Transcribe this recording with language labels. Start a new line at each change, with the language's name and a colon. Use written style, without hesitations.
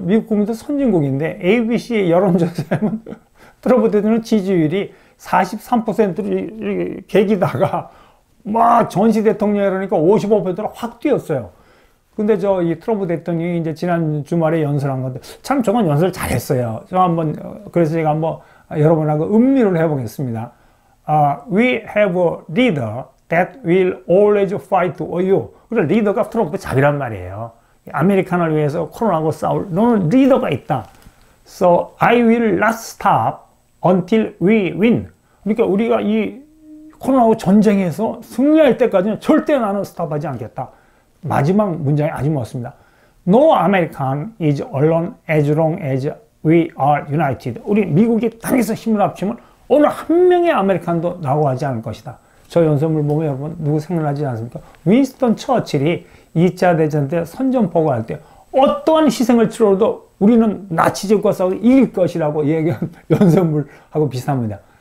Korean: 미국 국민도 선진국인데 ABC의 여론조사에는 트럼프 대통령 지지율이 43%로 개기다가 막 전시 대통령 이러니까 55%로 확 뛰었어요. 근데 저 이 트럼프 대통령이 이제 지난 주말에 연설한 건데 참 저건 연설 잘했어요. 제가 한번 여러분하고 음미를 해보겠습니다.
English: We have a leader that will always fight for you.
Korean: 그래서 리더가 트럼프 자기란 말이에요. 아메리칸을 위해서 코로나하고 싸울 너는 리더가 있다.
English: So I will not stop until we win.
Korean: 그러니까 우리가 이 코로나하고 전쟁에서 승리할 때까지는 절대 나는 스탑하지 않겠다. 마지막 문장이 아주 멋있습니다.
English: No American is alone as long as we are united.
Korean: 우리 미국이 땅에서 힘을 합치면 어느 한 명의 아메리칸도 나고하지 않을 것이다. 저 연설물 보면 여러분 누구 생각나지 않습니까? 윈스턴 처칠이 2차 대전 때 선전포고할 때 어떠한 희생을 치러도 우리는 나치제국과 싸워 이길 것이라고 얘기한 연설물하고 비슷합니다.